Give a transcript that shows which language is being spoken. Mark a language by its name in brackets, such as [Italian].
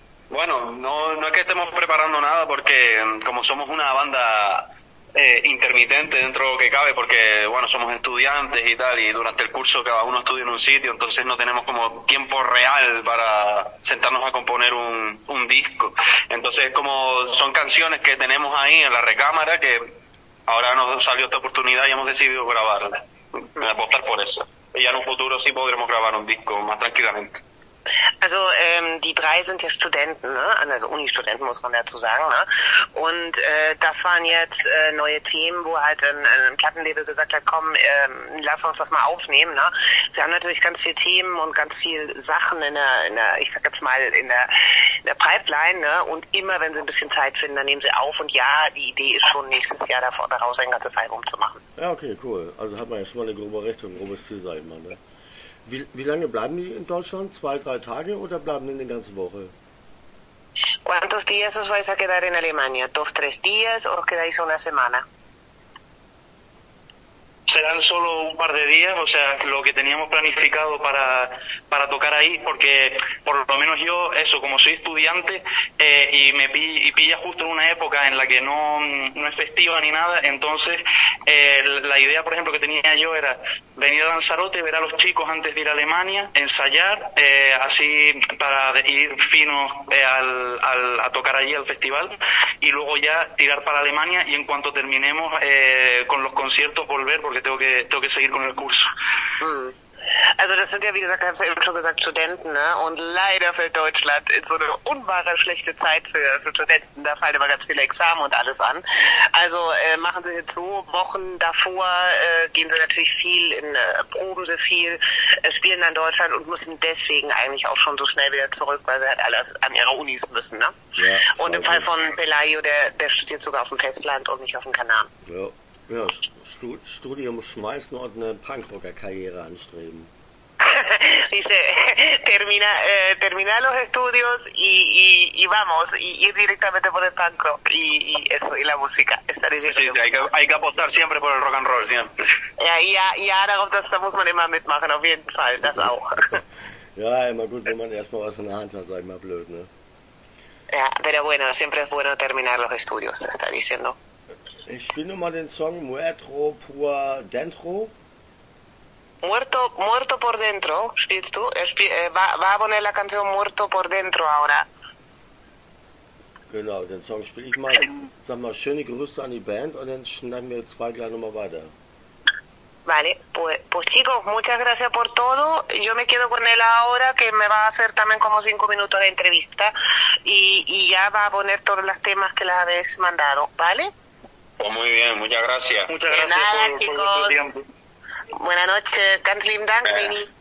[Spanish] Bueno, no es que estemos preparando nada porque como somos una banda intermitente dentro de lo que cabe, porque bueno, somos estudiantes y tal, y durante el curso cada uno estudia en un sitio, entonces no tenemos como tiempo real para sentarnos a componer un disco. Entonces, como son canciones que tenemos ahí en la recámara, que ahora nos salió esta oportunidad y hemos decidido grabarlas, apostar por eso. Y en un futuro sí podremos grabar un disco más tranquilamente. [German] Also die drei sind ja Studenten, ne? Also Uni-Studenten muss man dazu sagen, ne? Und das waren jetzt neue Themen, wo halt ein Plattenlabel gesagt hat, komm, lass uns das mal aufnehmen, ne? Sie haben natürlich ganz viele Themen und ganz viele Sachen in der, ich sag jetzt mal, in der Pipeline, ne? Und immer wenn sie ein bisschen Zeit finden, dann nehmen sie auf und ja, die Idee ist schon nächstes Jahr daraus ein ganzes Album zu machen. Ja, okay, cool. Also hat man ja schon mal eine grobe Richtung, ein grobes Ziel, sag ich mal, ne? Wie lange bleiben die in Deutschland? 2-3 Tage oder bleiben die eine ganze Woche? [Spanish] ¿Cuántos días os vais a quedar en Alemania? ¿2-3 días o os quedáis una semana? Serán solo un par de días, o sea, lo que teníamos planificado para tocar ahí, porque por lo menos yo, eso, como soy estudiante, y pilla justo en una época en la que no es festiva ni nada, entonces la idea, por ejemplo, que tenía yo era venir a Lanzarote, ver a los chicos antes de ir a Alemania, ensayar, así para ir finos a tocar allí al festival, y luego ya tirar para Alemania, y en cuanto terminemos con los conciertos, volver, porque tengo que seguir con el curso. [German] Also das sind ja, wie gesagt, hast du eben schon gesagt, Studenten, ne? Und leider fällt Deutschland in so eine unwahre schlechte Zeit für Studenten. Da fallen immer ganz viele Examen und alles an. Also machen sie jetzt so, Wochen davor gehen sie natürlich viel, proben sie viel, spielen dann Deutschland und müssen deswegen eigentlich auch schon so schnell wieder zurück, weil sie halt alles an ihre Unis müssen, ne? Ja, und im Fall von Pelayo, der studiert sogar auf dem Festland und nicht auf dem Kanaren. Ja, Studium schmeißen und eine Punkrocker-Karriere anstreben. [Spanish] Dice, termina los estudios y vamos, y directamente por el punk rock y la música. Sí, hay que apostar siempre por el rock and roll, siempre. [German] Ja, darauf, da muss man immer mitmachen, auf jeden Fall, das auch. Ja, immer gut, wenn man erstmal was in der Hand hat, sag ich mal, blöd, ne? [Spanish] Ja, pero bueno, siempre es bueno terminar los estudios, está diciendo. [German] Ich spiele nochmal den Song Muerto por Dentro. Muerto por Dentro, spielst du? [Spanish] Va a poner la canción Muerto por Dentro ahora. [German] Genau, den Song spiele ich mal. Sag mal, schöne Grüße an die Band und dann schneiden wir zwei gleich nochmal weiter. [Spanish] Vale, pues chicos, muchas gracias por todo. Yo me quedo con él ahora, que me va a hacer también como 5 minutos de entrevista. Y ya va a poner todos los temas que les habéis mandado, ¿vale? Pues muy bien, muchas gracias. Muchas gracias nada, por tu tiempo. Buenas noches, [German] ganz lieben Dank, [Spanish] Vini.